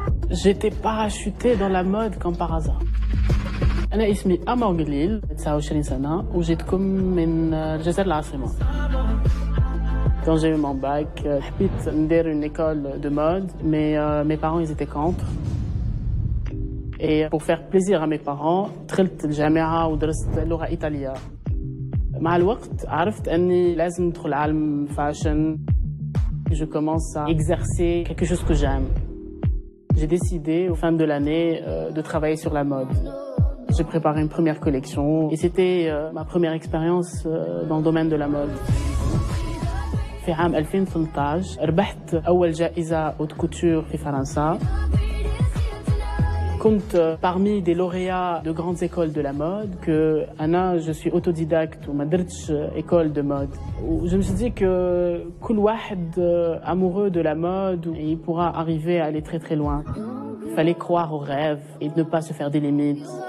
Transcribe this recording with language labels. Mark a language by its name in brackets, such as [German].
[French] J'étais parachutée dans la mode comme par hasard. [Arabic] أنا اسمي أمل جليل، 29 سنة، وجيتكم من جزر العاصمة. [French] Quand j'ai eu mon bac, [Arabic] حبيت ندير [French] une école de mode, mais mes parents ils étaient contre. Et pour faire plaisir à mes parents, [Arabic] دخلت الجامعة ودرست لغة إيطالية. مع الوقت عرفت أني لازم ندخل عالم فاشن. [French] Je commence à exercer quelque chose que j'aime. J'ai décidé, au fin de l'année, de travailler sur la mode. J'ai préparé une première collection et c'était ma première expérience dans le domaine de la mode. [Arabic] في عام 2013, ربحت أول جائزة haute couture في فرنسا. كنت [French] parmi des lauréats de grandes écoles de la mode que [Arabic] أنا, [French] je suis autodidacte ou [Arabic] ما درتش [French] école de mode. Je me suis dit que [Arabic] كل واحد [French] amoureux de la mode, il pourra arriver à aller très très loin. Il fallait croire aux rêves et ne pas se faire des limites.